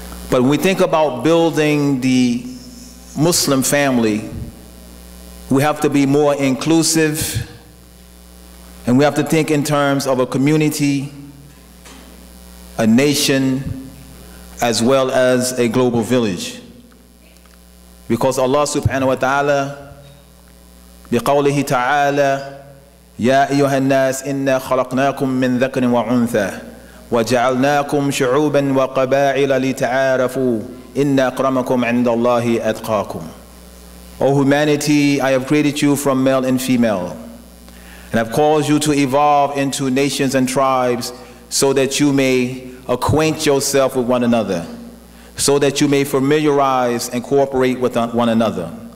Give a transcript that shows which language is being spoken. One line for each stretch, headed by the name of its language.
English: But when we think about building the Muslim family, we have to be more inclusive, and we have to think in terms of a community, a nation, as well as a global village. Because Allah subhanahu wa ta'ala,
Arabic: بقوله تعالى, يا أيها الناس إنا خلقناكم من ذكر وأنثى وجعلناكم شعوبا وقبائل لتعارفوا إن أكرمكم عند الله أتقاكم.
English: O humanity, I have created you from male and female, and have caused you to evolve into nations and tribes so that you may acquaint yourself with one another, so that you may familiarize and cooperate with one another.